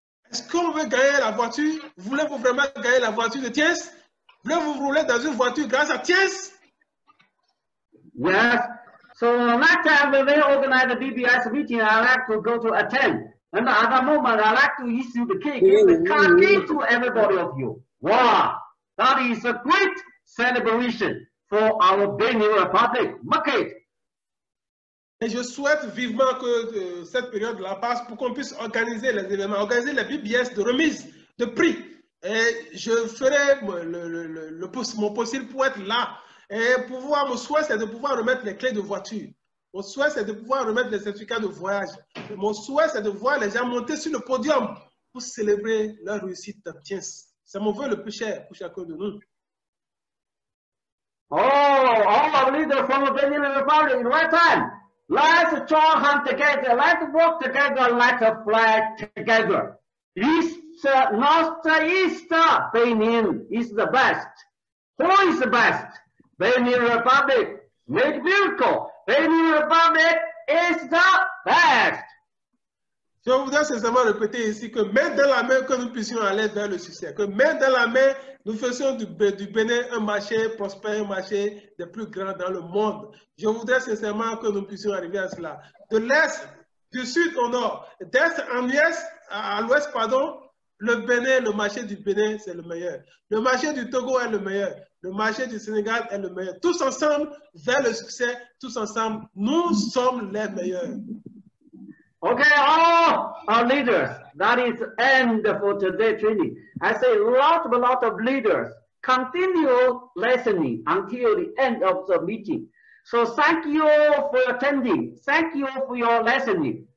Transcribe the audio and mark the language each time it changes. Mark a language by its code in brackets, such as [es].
[fr] Est-ce qu'on veut gagner la voiture? Voulez-vous vraiment gagner la voiture de Tiens? Voulez-vous rouler dans une voiture grâce à Tiens? [en] Yes. So next time when they organize the BBS meeting, I like to go to attend. And at the moment, I like to issue the cake, the car cake to everybody of you. Wow! That is a great celebration for our Benin Republic. Market. [fr] Et je souhaite vivement que cette période la passe pour qu'on puisse organiser les événements, organiser les BBS de remise de prix. Et je ferai mon possible pour être là. Et pouvoir, mon souhait, c'est de pouvoir remettre les clés de voiture. Mon souhait, c'est de pouvoir remettre les certificats de voyage. Et mon souhait, c'est de voir les gens monter sur le podium pour célébrer leur réussite d'obtience. C'est mon vœu le plus cher pour chacun de nous. [en] Oh, all our leaders from the Benin Republic in right time. Let's join hands together, let's walk together, let's fly together. Easter, North Easter, Benin is the best. Who is the best? Benin Republic, make miracle. Benin Republic is the best. [fr] Je voudrais simplement répéter ici que main dans la main, que nous puissions aller vers le succès. Que main dans la main, nous faisions du Bénin un marché prospère, un marché des plus grands dans le monde. Je voudrais sincèrement que nous puissions arriver à cela. De l'Est, du Sud au Nord, d'Est en Ouest, à l'Ouest, pardon, le Bénin, le marché du Bénin, c'est le meilleur. Le marché du Togo est le meilleur. Le marché du Sénégal est le meilleur. Tous ensemble, vers le succès, tous ensemble, nous sommes les meilleurs. [en] Okay, all our leaders, that is end for today's training. I say a lot of leaders continue listening until the end of the meeting. So thank you for attending. Thank you for your listening.